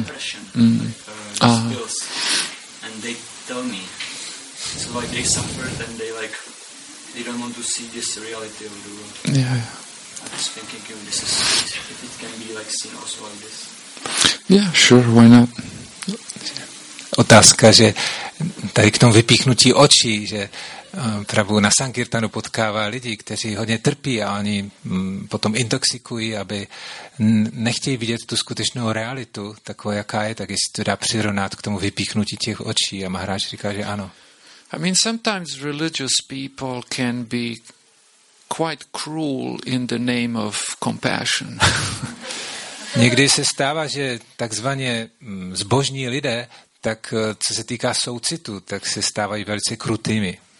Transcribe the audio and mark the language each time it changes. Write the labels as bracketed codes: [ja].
[en] depression, pills, and they tell me, so like they suffered and they like they don't want to see this reality of the world. Yeah. I was thinking if this is, if it can be like seen also like this. Yeah, sure, why not? [cs] Otázka, že tady k tomu vypíchnutí očí, že Prabhu na Sankirtanu potkává lidi, kteří hodně trpí a oni potom intoxikují, aby nechtějí vidět tu skutečnou realitu, takovou jaká je, tak jestli to dá přirovnat k tomu vypíchnutí těch očí. A Maharaj říká, že ano. [en] I mean, sometimes religious people can be quite cruel in the name of compassion. [cs] Někdy se stává, že takzvaně zbožní lidé, tak co se týká soucitu, tak se stávají velice krutými.